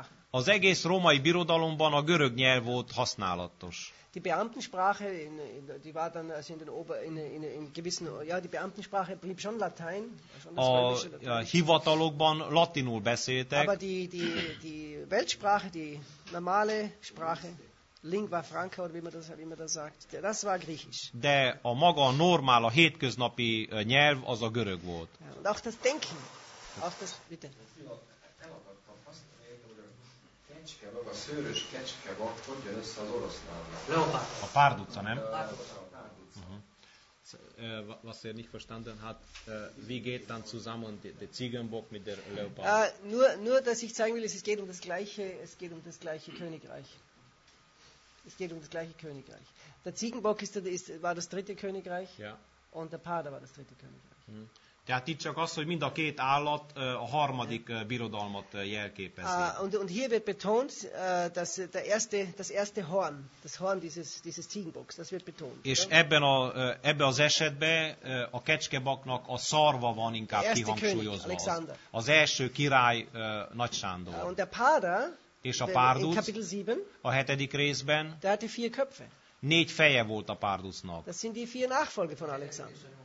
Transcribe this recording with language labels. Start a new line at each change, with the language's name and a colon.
Hungarian: Az egész római birodalomban a görög nyelv volt használatos.
German: Die Beamtensprache, die war dann also in den Ober, in gewissen, ja, die Beamtensprache blieb schon Latein.
Hungarian: A hivatalokban latinul beszéltek.
German: Aber die Weltsprache, die normale Sprache, lingua franca, oder wie man das sagt, das war griechisch.
Hungarian: De a maga normál, a hétköznapi nyelv, az a görög volt.
German: Ja, und auch das Denken, auch das, bitte.
Hungarian: Kecske, maga szőrös kecske, hogy össze az oroszlán? Leopard. A párduca, nem?
German: Párduca. Was ihr nicht verstanden hat, wie geht dann zusammen der Ziegenbock mit der Leopard? Nur, dass ich zeigen will, es geht um das gleiche Königreich. Es geht um das gleiche Königreich. Der Ziegenbock ist der, ist, war das dritte Königreich. Ja. Und der Páda war das dritte Königreich. Hm.
Hungarian: Tehát itt csak az, hogy mind a két állat a harmadik birodalmat jelképezi.
German: Und hier wird betont, dass das erste Horn, das Horn dieses Ziegenbocks, das wird betont.
Hungarian: És ebben az esetben a kecskebaknak a szarva van inkább kihangsúlyozva. Az első király Nagy Sándor.
German: Und der Páda,
Hungarian: és a Párdus,
German: in Kapitel 7,
Hungarian: a hetedik részben,
German: der hatte vier Köpfe.
Hungarian: Négy feje volt a Párdusnak.
German: Das sind die vier Nachfolge von Alexander.